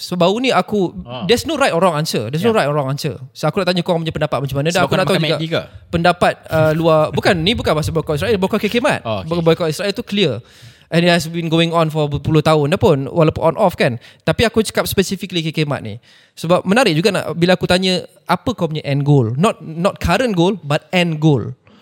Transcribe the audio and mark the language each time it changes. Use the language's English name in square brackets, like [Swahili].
[Malay] Sebab baru ni aku, [English] there's no right or wrong answer. There's no right or wrong answer. [Malay] So aku nak tanya korang punya pendapat macam mana. Dan aku nak tahu juga pendapat luar. Bukan, ni bukan pasal boycott Israel. Boycott kekemat. Boycott Israel tu clear. [English] And it has been going on for 10 [Malay] tahun dah pun. Walaupun on off kan. Tapi aku cakap specifically kekemat ni. Sebab menarik juga nak, bila aku tanya, apa kau punya end goal? [English] Not current goal, but end goal.